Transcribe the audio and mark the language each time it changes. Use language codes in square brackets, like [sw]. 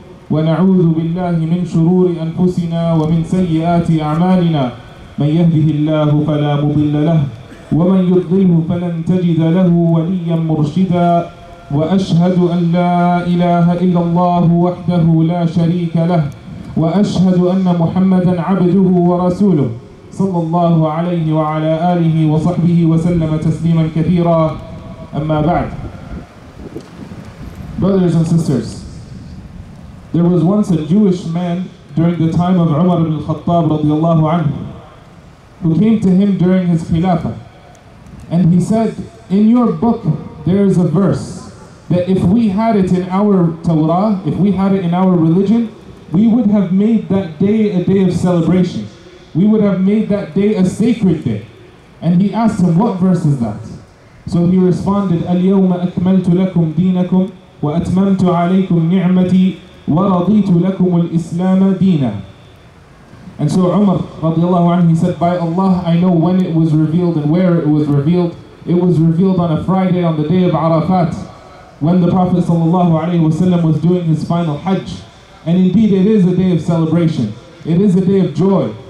[ar] ونعوذ بالله من شرور أنفسنا ومن سيئات أعمالنا من يهده الله فلا مضل له ومن يضلله فلن تجد له وليا مرشدا وأشهد أن لا إله إلا الله وحده لا شريك له وأشهد أن محمدًا عبده ورسوله صلى الله عليه وعلى آله وصحبه وسلم تسليمًا كثيرًا أما بعد. [en] Brothers and sisters, there was once a Jewish man during the time of Umar ibn al-Khattab رضي الله عنه who came to him during his khilafah and he said, in your book there is a verse that if we had it in our Torah, if we had it in our religion, we would have made that day a day of celebration. We would have made that day a sacred day. And he asked him, what verse is that? So he responded, [ar] الْيَوْمَ أَكْمَلْتُ لَكُمْ دِينَكُمْ وَأَتْمَمْتُ عَلَيْكُمْ نِعْمَتِي وَرَضِيتُ لَكُمُ الْإِسْلَامَ دِينًا. [en] And so Umar radiallahu anhu, he said, by Allah, I know when it was revealed and where it was revealed. It was revealed on a Friday on the day of Arafat, when the Prophet sallallahu alayhi wasallam was doing his final Hajj. And indeed, it is a day of celebration. It is a day of joy.